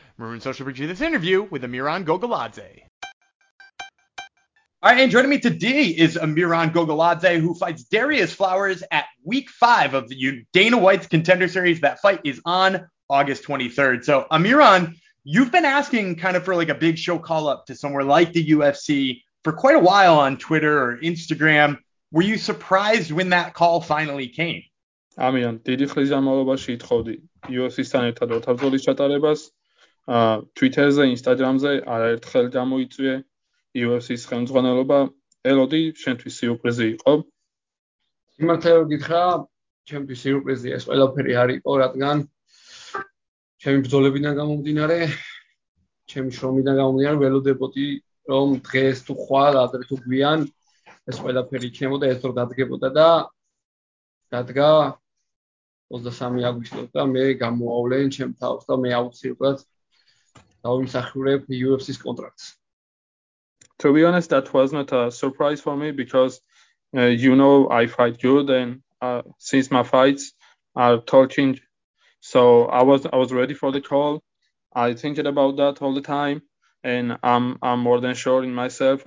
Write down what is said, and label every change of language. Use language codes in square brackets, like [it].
[en] Maroon Social brings you this interview with Amiron Gogoladze. All right, and joining me today is Amiron Gogoladze, who fights Darius Flowers at week 5 of Dana White's Contender Series. That fight is on August 23rd. So, Amiron, you've been asking kind of for like a big show call up to somewhere like the UFC for quite a while on Twitter or Instagram. Were you surprised when that call finally came? [ka] Amiron, დიდი ხნის განმავლობაში ითხოვდი UFC-სთან ერთად ოთახზოლის ჩატარებას. Twitter-ზე, Instagram-ზე არაერთხელ გამოიწვია UFC-ის ხელმძღვანელობა. Elodi, შენთვის სიურპრიზი იყო? მართლა რომ გითხრა, ჩემთვის სიურპრიზი ეს ყველაფერი არისო, რადგან ჩემი ბრძოლებიდან გამომდინარე, ჩემი შრომიდან გამომდინარე, ველოდებოდი რომ დღეს თუ ხვალ, ადრე თუ გვიან ეს ყველაფერი იქნებოდა, ეს დრო დადგებოდა და დადგა 23 აგვისტოს და მე გამოავლენ ჩემ თავს და მე აუცილებლად დავიმსახურებ UFC-ს კონტრაქტს. [en] To be honest, that was not a surprise for me because you know I fight good and since my fights are talking, so I was ready for the call. I think about that all the time, and I'm more than sure in myself.